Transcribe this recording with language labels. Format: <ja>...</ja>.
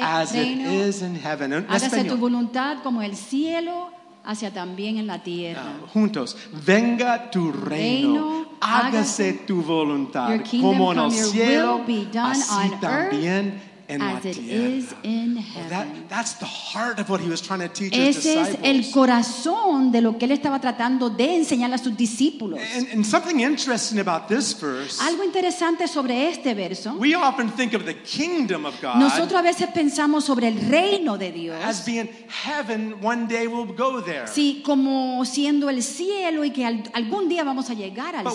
<en>as it is in heaven. En</en> <es>hágase español, tu voluntad como el cielo hacia también en la tierra. Juntos, venga tu reino, hágase tu voluntad como en el cielo, así también en la tierra.</es> <en>That's the heart of what he was trying to teach his disciples.</en> <es>Ese es el corazón de lo que él estaba tratando de enseñar a sus discípulos.</es> <en>And something interesting about this verse.</en> <es>Algo interesante sobre este verso.</es> <en>We often think of the kingdom of God.</en> <es>Nosotros a veces pensamos sobre el reino de Dios.</es> <en>As being heaven, one day we'll go there.</en> <es>Sí, como siendo el cielo y que algún día vamos a llegar al cielo.</es>